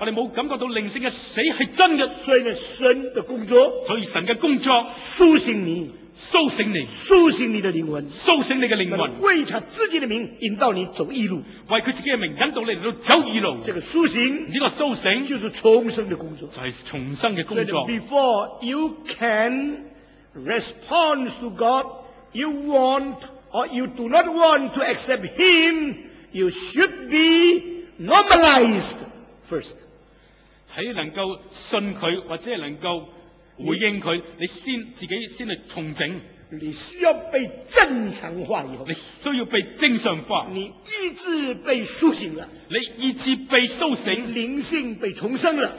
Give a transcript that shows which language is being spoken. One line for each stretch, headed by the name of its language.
Chinese: 我们没有感觉到灵性的死是真的。所以呢，神的工作，所以神的工作苏醒你，苏醒你，苏醒你的灵魂，苏醒你的灵魂，为他自己的名引导你走义路，为他自己的名引导你来走义路。这个苏醒，这个苏醒就是重生的工作，就是重生的工作。
English: Before you can respond to God, you want or you do not want to accept Him, you should be normalized first.
Chinese: 在能够信他或者能够回应他，你先自己先去重整，你需要被正常化以后，你需要被正常化，你意志被苏醒了，你意志被苏醒，灵性被重生了，